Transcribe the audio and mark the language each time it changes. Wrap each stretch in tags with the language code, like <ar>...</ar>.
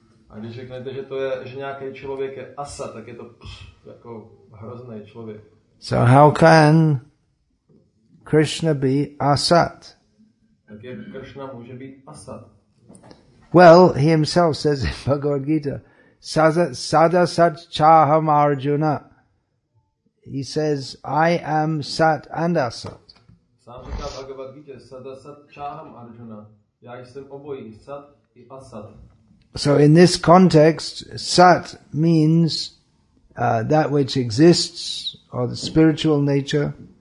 <cs>A když řeknete, že nějaký člověk je asat, tak je to jako hrozný člověk.</cs> <en>So how can Krishna be asat?</en> <cs>Tak jak Krishna může být asat?</cs> <en>Well, he himself says in Bhagavad Gita,</en> <sa>Sada sat chaham Arjuna.</sa> <en>He says, I am sat and asat.</en> <cs>Sám říká Bhagavad Gita,</cs> <sa>sada sat chaham Arjuna.</sa> <cs>Já jsem obojí, sat i asat.</cs> <en>So in this context, sat means that which exists, or the spiritual nature.</en>